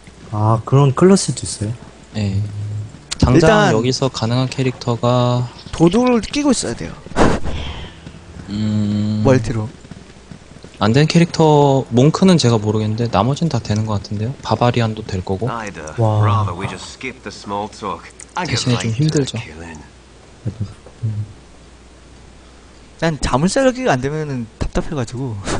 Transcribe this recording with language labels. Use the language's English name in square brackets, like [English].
[Korean] 아 그런 클러스도 있어요? 예. 네. 당장 일단 여기서 가능한 캐릭터가 도둑을 끼고 있어야 돼요. 멀티로. 안 되는 캐릭터 몽크는 제가 모르겠는데 나머지는 다 되는 것 같은데요? 바바리안도 될 거고. [English] Neither. [Korean] 와. [English] Rather, we just skip the small talk. I [Korean] 대신에 좀 힘들죠. 난 자물쇠가 안 되면은 답답해가지고.